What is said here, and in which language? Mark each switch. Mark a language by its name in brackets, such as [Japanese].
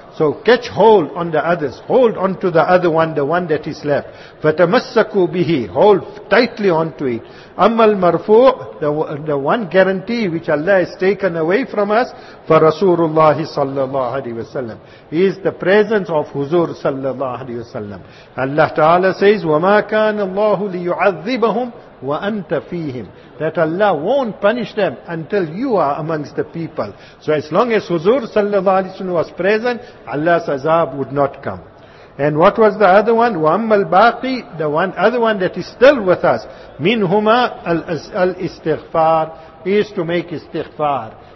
[English] So catch hold on the others, hold on to the one that is left. [Arabic] فَتَمَسَّكُوا بِهِ. [English] Hold tightly onto it. [Arabic] أَمَّا الْمَرْفُوعِ. [English] The one guarantee which Allah has taken away from us, [Arabic] فَرَسُولُ اللَّهِ صَلَّى اللَّهُ عَلَيْهِ وَسَلَّمُ, [English] is the presence of Huzur صَلَّى اللَّهُ عَلَيْهِ وَسَلَّمُ. Allah Ta'ala says, [Arabic] وَمَا كَانَ اللَّهُ لِيُعَذِّبَهُمْ وَأَنْتَ فِيهِمْ. [English] That Allah won't punish them until you are amongst the people. So as long as Huzur sallallahu alayhi wa sallam was present, Allah's azab would not come. And what was the other one? [Arabic] وَأَمَّا الْبَاقِي. [English] The one other one that is still with us. [Arabic] مِنْهُمَا الْإِسْتِغْفَارِ, [English] is to make istighfar.